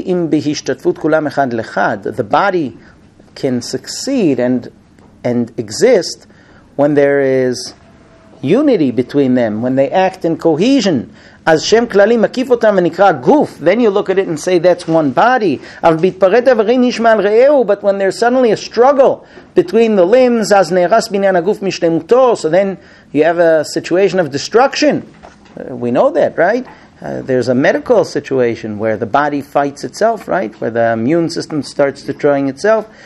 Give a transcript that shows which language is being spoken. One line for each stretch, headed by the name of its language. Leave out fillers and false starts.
English: The body can succeed and exist when there is unity between them, when they act in cohesion.
Hebrew: אז שם כללי מקיף אותם ונקרא גוף.
English: Then you look at it and say, that's one body.
Hebrew: אבל בהתפרד דברים נשמע על רעהו,
English: but when there's suddenly a struggle between the limbs,
Hebrew: אז נהרס בניין הגוף משלמותו.
English: So then you have a situation of destruction. We know that, right? There's a medical situation where the body fights itself, right? Where the immune system starts destroying itself.